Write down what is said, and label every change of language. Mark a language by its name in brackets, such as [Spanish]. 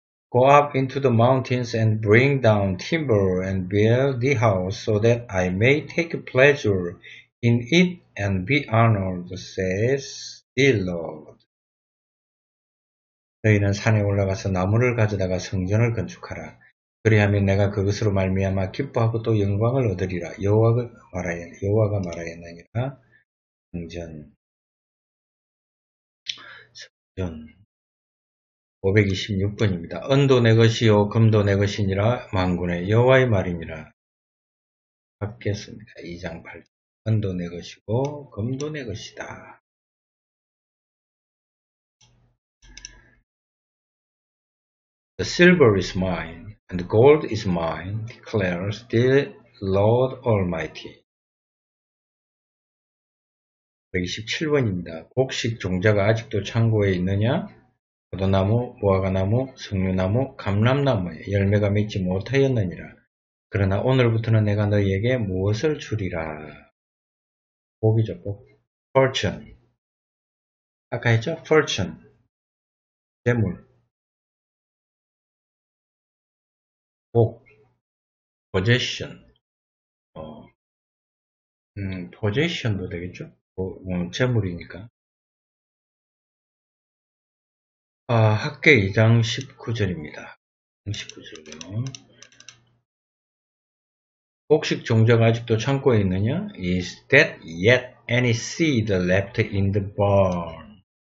[English] Go up into the mountains and bring down timber and build the house so that I may take pleasure in it and be honored, says the Lord. [Korean] 너희는 산에 올라가서 나무를 가져다가 성전을 건축하라. 그리하면 내가 그것으로 말미암아 기뻐하고 또 영광을 얻으리라. 여호와가 말하였느니라. 성전. 성전. 526번입니다. 은도 내 것이요 금도 내 것이니라. 만군의 여호와의 말이니라. 받겠습니다. 2장 8절. 은도 내 것이고 금도 내 것이다. [English] 'The silver is mine. And gold is mine, declares the Lord Almighty. [Korean] 127번입니다. 곡식 종자가 아직도 창고에 있느냐? 포도나무, 무화과나무, 석류나무, 감람나무에 열매가 맺지 못하였느니라. 그러나 오늘부터는 내가 너희에게 무엇을 주리라? 복이죠, 복. Fortune. 아까 했죠? Fortune. 재물. 복, possession, possession도 되겠죠? 재물이니까. 아, 학계 2장 19절입니다. 19절이요. 곡식 종자가 아직도 창고에 있느냐? [English] Is that yet any seed left in the barn?